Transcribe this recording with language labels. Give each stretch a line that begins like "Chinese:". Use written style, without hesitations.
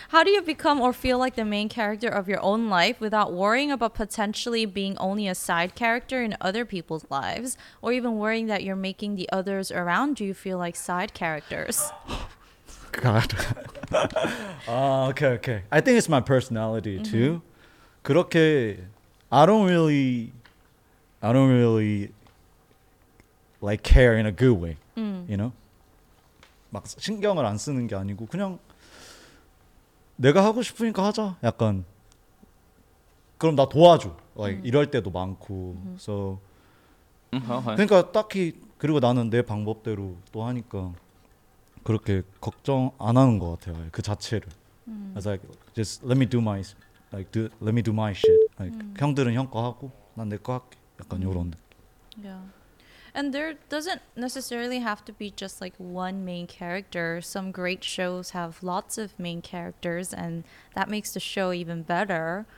English: How do you become or feel like the main character of your own life without worrying about potentially being only a side character in other people's lives, or even worrying that you're making the others around you feel like side characters? God. okay. I think it's my personality too. Mm-hmm.
Korean: 그렇게
English: I don't really like care in a good way. You know?
Korean: 막 신경을 안 쓰는 게 아니고 그냥 내가 하고 싶으니까 하자. 약간 그럼 나 도와줘. Like 이럴 때도 많고. So 그러니까 딱히 그리고 나는 내 방법대로 또 하니까 그렇게 걱정 안 하는 것 같아요. 그 자체를.
English: It's like just let me do my shit.
Korean: Like 형들은 형 거 하고 난 내 거 할게. 약간 이런 느낌.
English: Yeah. And there doesn't necessarily have to be just like one main character. Some great shows have lots of main characters and that makes the show even better.